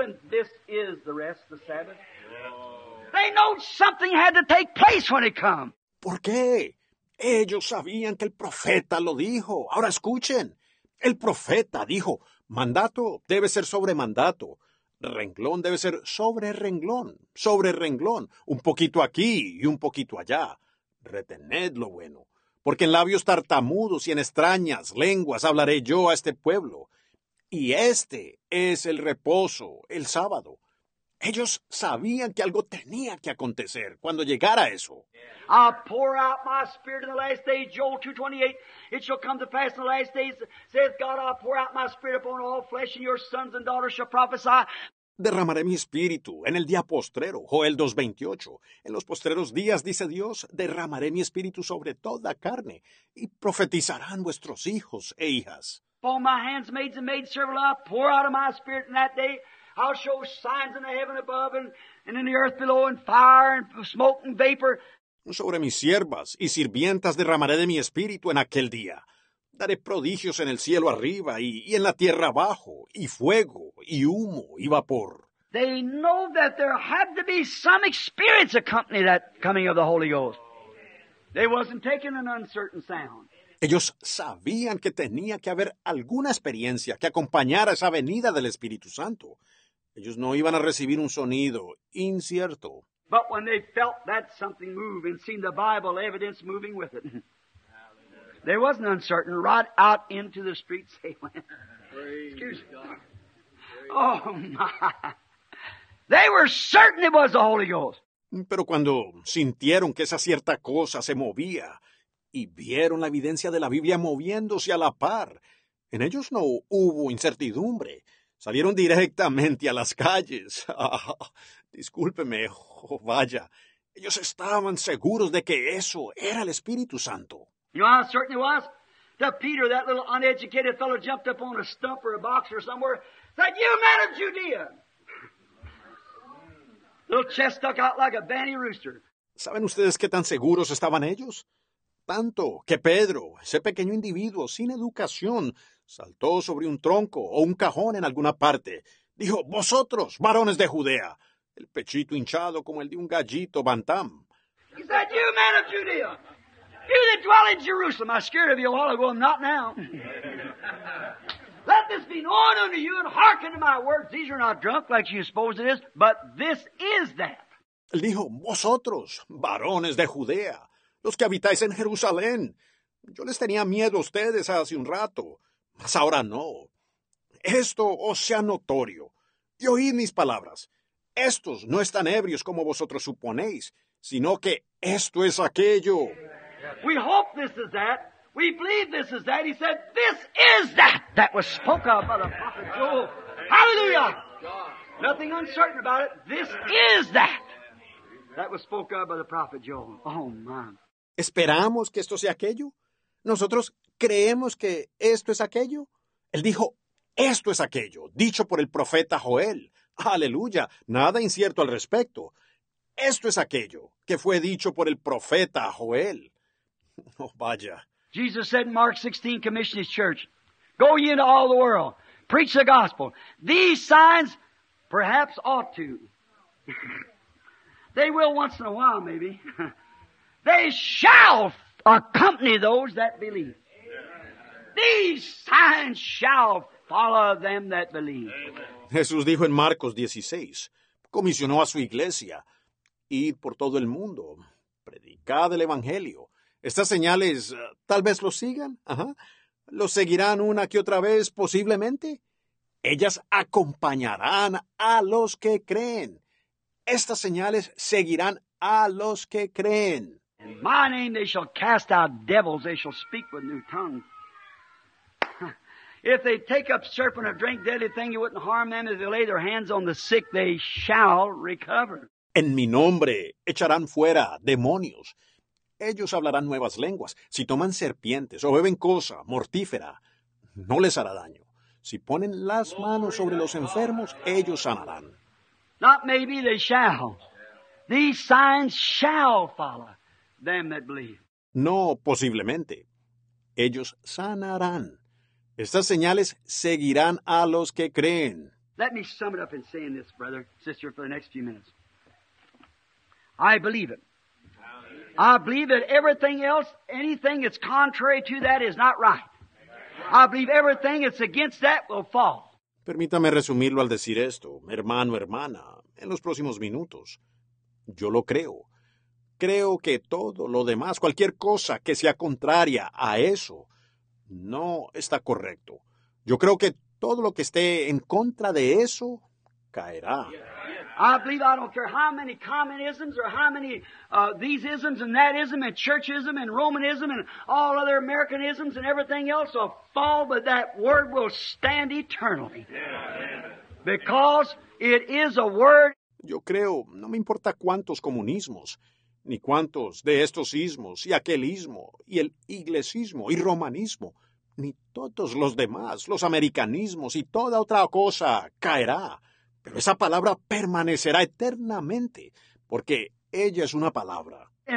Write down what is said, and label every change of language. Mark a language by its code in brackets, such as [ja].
[en] And this is the rest, the Sabbath. They know something had to take place when it come. [es] ¿Por qué? Ellos sabían que el profeta lo dijo. Ahora escuchen. El profeta dijo, mandato debe ser sobre mandato. Renglón debe ser sobre renglón. Sobre renglón. Un poquito aquí y un poquito allá. Retened lo bueno. Porque en labios tartamudos y en extrañas lenguas hablaré yo a este pueblo. Y este es el reposo, el sábado. Ellos sabían que algo tenía que acontecer cuando llegara eso. [en] I'll pour out my spirit in the last days, Joel 2:28. It shall come to pass in the last days, saith God, I'll pour out my spirit upon all flesh, and your sons and daughters shall prophesy. [es] Derramaré mi espíritu en el día postrero, Joel 2:28. En los postreros días, dice Dios, derramaré mi espíritu sobre toda carne, y profetizarán vuestros hijos e hijas. [en] Upon my handmaids and maidservants, I'll pour out of my spirit in that day. I'll show signs in the heaven above and in the earth below, and fire and smoke and vapor. [es] Sobre mis siervas y sirvientas derramaré de mi espíritu en aquel día. Daré prodigios en el cielo arriba y en la tierra abajo, y fuego, y humo, y vapor. [en] They know that there had to be some experience accompany that coming of the Holy Ghost. They wasn't taking an uncertain sound. [es] Ellos sabían que tenía que haber alguna experiencia que acompañara esa venida del Espíritu Santo. Ellos no iban a recibir un sonido incierto. [en] But when they felt that something move and seen the Bible evidence moving with it, there wasn't uncertain. Right out into the streets they went. Excuse me. Oh, my. They were certain it was the Holy Ghost. [es] Pero cuando sintieron que esa cierta cosa se movía, y vieron la evidencia de la Biblia moviéndose a la par. En ellos no hubo incertidumbre. Salieron directamente a las calles. Discúlpeme, oh, vaya. Ellos estaban seguros de que eso era el Espíritu Santo. [en] You know how certain it was? That Peter, that little uneducated fellow, jumped up on a stump or a box or somewhere, said, you men of Judea! Little chest stuck out like a banny rooster. [es] ¿Saben ustedes qué tan seguros estaban ellos? Tanto que Pedro, ese pequeño individuo sin educación, saltó sobre un tronco o un cajón en alguna parte. Dijo, vosotros, varones de Judea, el pechito hinchado como el de un gallito bantam. [en] He said, you men of Judea, you that dwell in Jerusalem, I'm scared of you a while ago, not now. Let this be known unto you and hearken to my words. These are not drunk like you suppose it is, but this is that. [es] Él dijo, vosotros, varones de Judea, los que habitáis en Jerusalén, Yo les tenía miedo a ustedes hace un rato, mas ahora no. Esto os sea notorio. Y oíd mis palabras. Estos no están ebrios como vosotros suponéis, sino que esto es aquello. [en] We hope this is that. We believe this is that. He said, this is that. That was spoken of by the prophet Joel. Hallelujah. Nothing uncertain about it. This is that. That was spoken of by the prophet Joel. Oh, man. [es] ¿Esperamos que esto sea aquello? ¿Nosotros creemos que esto es aquello? Él dijo, esto es aquello, dicho por el profeta Joel. Aleluya, nada incierto al respecto. Esto es aquello que fue dicho por el profeta Joel. Oh, vaya. [en] Jesus said in Mark 16, commission his church, go ye into all the world, preach the gospel. These signs perhaps ought to. They will once in a while, maybe. They shall accompany those that believe. These signs shall follow them that believe. [es] Jesús dijo en Marcos 16, comisionó a su iglesia, id por todo el mundo, predicad el evangelio. Estas señales, tal vez lo sigan, ajá. Lo seguirán una que otra vez, posiblemente. Ellas acompañarán a los que creen. Estas señales seguirán a los que creen. [en] In my name they shall cast out devils, they shall speak with new tongues. If they take up serpent or drink deadly thing, it wouldn't harm them. If they lay their hands on the sick, they shall recover. [es] En mi nombre echarán fuera demonios. Ellos hablarán nuevas lenguas. Si toman serpientes o beben cosa mortífera, no les hará daño. Si ponen las manos sobre los enfermos, ellos sanarán. [en] Not maybe they shall. These signs shall follow them that believe. [es] No, posiblemente. Ellos sanarán. Estas señales seguirán a los que creen. [en] Let me sum it up in saying this, brother, sister, for the next few minutes. I believe it. I believe that everything else, anything that's contrary to that is not right. I believe everything that's against that will fall. [es] Permítame resumirlo al decir esto, hermano, hermana, en los próximos minutos. Yo lo creo. Creo que todo lo demás, cualquier cosa que sea contraria a eso, no está correcto. Yo creo que todo lo que esté en contra de eso caerá. [en] I believe I don't care how many communisms or how many these isms and that ism and churchism and Romanism and all other Americanisms and everything else will fall, but that word will stand eternally. Because it is a word. [es] Yo creo, no me importa cuántos comunismos, ni cuántos de estos ismos y aquel ismo y el iglesismo y romanismo, ni todos los demás, los americanismos y toda otra cosa caerá. Pero esa palabra permanecerá eternamente, porque ella es una palabra.